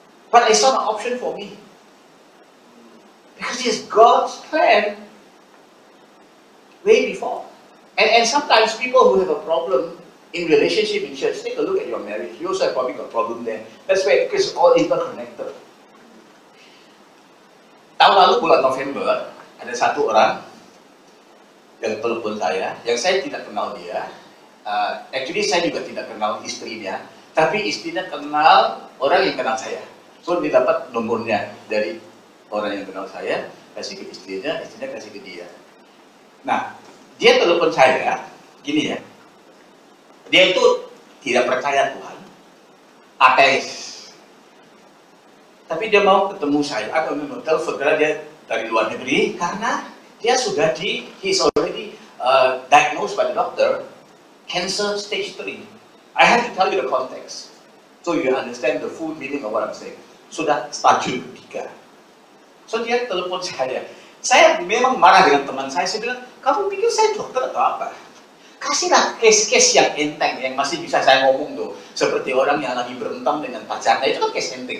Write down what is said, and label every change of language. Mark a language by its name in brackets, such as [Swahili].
[English] But it's not an option for me. Because it's God's plan way before. And sometimes people who have a problem in relationship in church, take a look at your marriage. You also have probably got a problem there. That's where it's all interconnected. [Indonesian] Tahun lalu bulan November ada satu orang yang telepon saya, yang saya tidak kenal dia. Actually saya juga tidak kenal istrinya, tapi istrinya kenal orang yang kenal saya. So dia dapat nomornya dari orang yang kenal saya, kasih ke istrinya, istrinya kasih ke dia. Nah dia telepon saya, gini ya. Dia itu tidak percaya Tuhan, ateis. Tapi dia mau ketemu saya atau memang telepon karena dia dari luar negeri karena dia sudah di [English] diagnosed by the doctor cancer stage 3. I have to tell you the context so you understand the full meaning of what I'm saying. [Indonesian] Sudah stadium 3. So dia telepon saya memang marah dengan teman saya bilang, kamu pikir saya dokter atau apa? Kasihlah case-case yang enteng, yang masih bisa saya ngomong tuh. Seperti orang yang lagi berentang dengan pacarnya, itu kan case enteng.